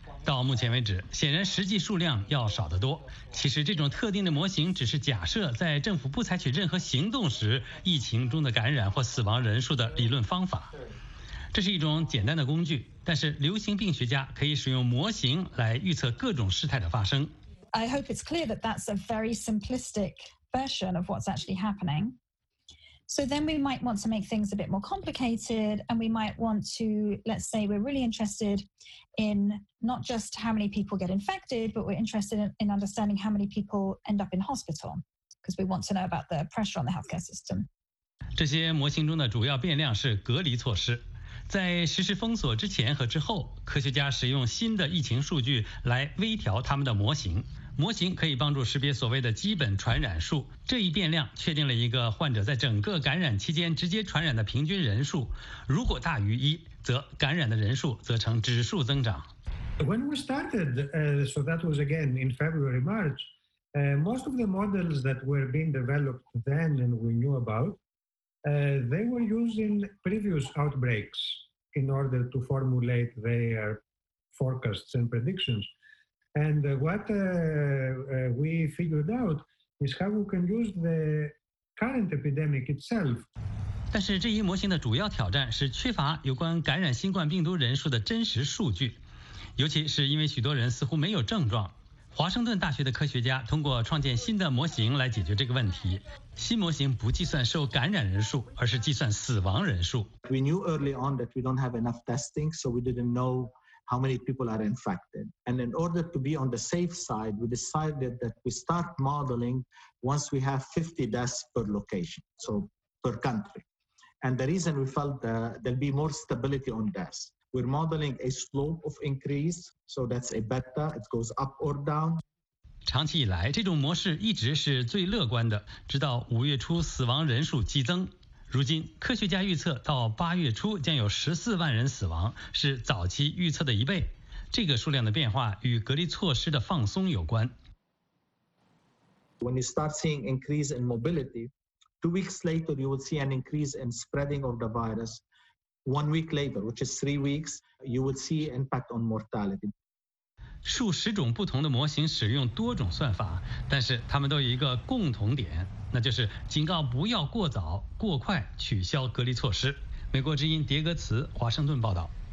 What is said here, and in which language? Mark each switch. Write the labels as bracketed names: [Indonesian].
[Chinese] 到目前为止，显然实际数量要少得多。其实这种特定的模型只是假设在政府不采取任何行动时，疫情中的感染或死亡人数的理论方法。这是一种简单的工具，但是流行病学家可以使用模型来预测各种事态的发生。 [English] I hope it's clear that that's a very simplistic version of what's actually happening. So then we might want to make things a bit more complicated, and we might want to, let's say we're really interested. In not just how many people get infected, but we're interested in understanding how many people end up in hospital, because we want to know about the pressure on the healthcare system. [Chinese] 这些模型中的主要变量是隔离措施。在实施封锁之前和之后，科学家使用新的疫情数据来微调他们的模型。模型可以帮助识别所谓的基本传染数，这一变量确定了一个患者在整个感染期间直接传染的平均人数，如果大于一，则感染的人数则呈指数增长。 [English] When we started, so that was again in February, March, most of the models that were being developed then and we knew about, they were used in previous outbreaks in order to formulate their forecasts and predictions. And what we figured out is how we can use the current epidemic itself. [Chinese] 但是这一模型的主要挑战是缺乏有关感染新冠病毒人数的真实数据，尤其是因为许多人似乎没有症状。华盛顿大学的科学家通过创建新的模型来解决这个问题。新模型不计算受感染人数，而是计算死亡人数。 [English] We knew early on that we don't have enough testing, so we didn't know how many people are infected. And in order to be on the safe side, we decided that we start modeling once we have 50 deaths per location, so per country. And the reason we felt there'll be more stability on deaths. We're modeling a slope of increase, so that's a beta, it goes up or down. [Chinese] 长期以来，这种模式一直是最乐观的，直到五月初死亡人数激增。如今，科学家预测到八月初将有14万人死亡，是早期预测的一倍。这个数量的变化与隔离措施的放松有关。 [English] When you start seeing increase in mobility, 2 weeks later you will see an increase in spreading of the virus. 1 week later, which is 3 weeks, you would see impact on mortality. [Chinese] 数十种不同的模型使用多种算法，但是他们都有一个共同点，那就是警告不要过早、过快取消隔离措施。美国之音迭戈茨，华盛顿报道。